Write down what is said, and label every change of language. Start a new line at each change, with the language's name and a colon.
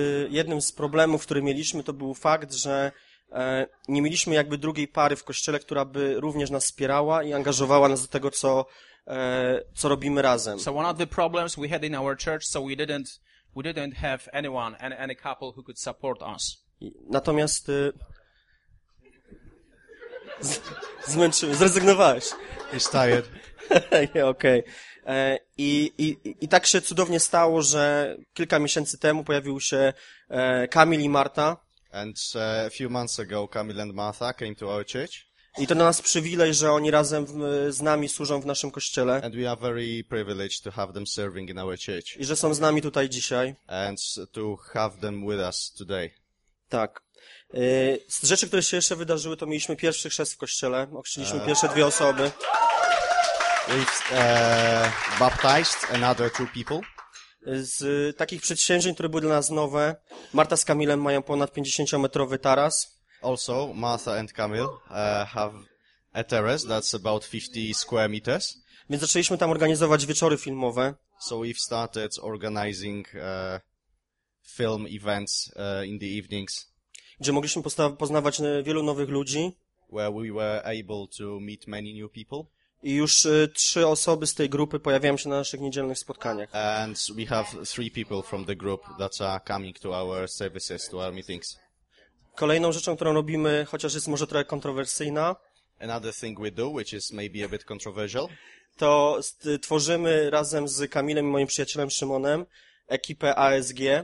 Polish: Jednym z problemów, który mieliśmy, to był fakt, że nie mieliśmy jakby drugiej pary w kościele, która by również nas wspierała i angażowała nas do tego, co robimy razem.
English: So one of the problems we had in our church, so we didn't have anyone, any couple who could support us.
Polish: Natomiast zmęczyłem, zrezygnowałeś.
English: He's tired. Okej. Okay.
Polish: I tak się cudownie stało, że kilka miesięcy temu pojawił się Kamil i Marta.
English: And a few months ago Kamil and Martha came to our church.
Polish: I to na nas przywilej, że oni razem z nami służą w naszym kościele.
English: And we are very privileged to have them serving in our church.
Polish: I że są z nami tutaj dzisiaj.
English: And to have them with us today.
Polish: Tak. Z rzeczy, które się jeszcze wydarzyły, to mieliśmy pierwszy chrzest w kościele. Ochrzciliśmy pierwsze dwie osoby.
English: We've baptized another two people.
Polish: Z takich przedsięwzięć, które były dla nas nowe, Marta z Kamilem mają ponad 50-metrowy taras.
English: Also, Martha and Kamil have a terrace that's about 50 square meters.
Polish: Więc zaczęliśmy tam organizować wieczory filmowe.
English: So we've started organizing film events in the evenings.
Polish: Gdzie mogliśmy poznawać wielu nowych ludzi.
English: Where we were able to meet many new people.
Polish: I już trzy osoby z tej grupy pojawiają się na naszych niedzielnych spotkaniach.
English: And we have three people from the group that are coming to our services, to our meetings.
Polish: Kolejną rzeczą, którą robimy, chociaż jest może trochę kontrowersyjna.
English: Another thing we do, which is maybe a bit controversial.
Polish: To tworzymy razem z Kamilem i moim przyjacielem Szymonem ekipę ASG.